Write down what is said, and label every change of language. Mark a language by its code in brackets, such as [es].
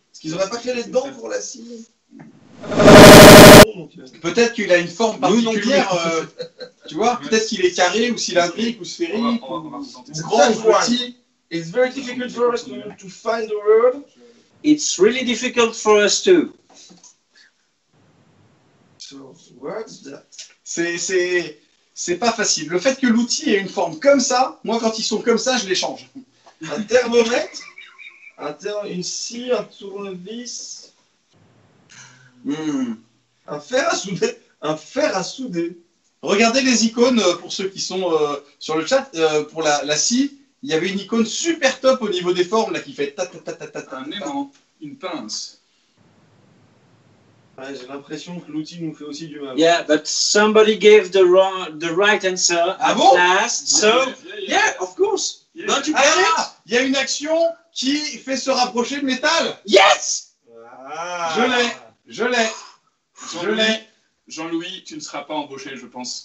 [fr] Est-ce qu'ils n'auraient pas fait les dents pour la scie? Peut-être qu'il a une forme particulière. tu vois, peut-être qu'il est carré ou cylindrique ou sphérique. Grand outil. [en] It's very difficult for us to find the word. It's really difficult for us too. So, what's that? [fr] C'est pas facile. Le fait que l'outil ait une forme comme ça, moi quand ils sont comme ça, je les change. Un thermomètre, une scie, un tournevis, un fer à souder. Regardez les icônes pour ceux qui sont sur le chat. Pour la scie, il y avait une icône super top au niveau des formes là, qui fait ta ta ta ta ta ta. Un aimant, une pince. Ouais, j'ai l'impression que l'outil nous fait aussi du mal. [en] Yeah, but somebody gave the right answer at last. So, yeah, of course. Don't you get it? [fr] Il y a une action qui fait se rapprocher le métal. [en] Yes. [fr] Je l'ai. Jean-Louis, tu ne seras pas embauché, je pense.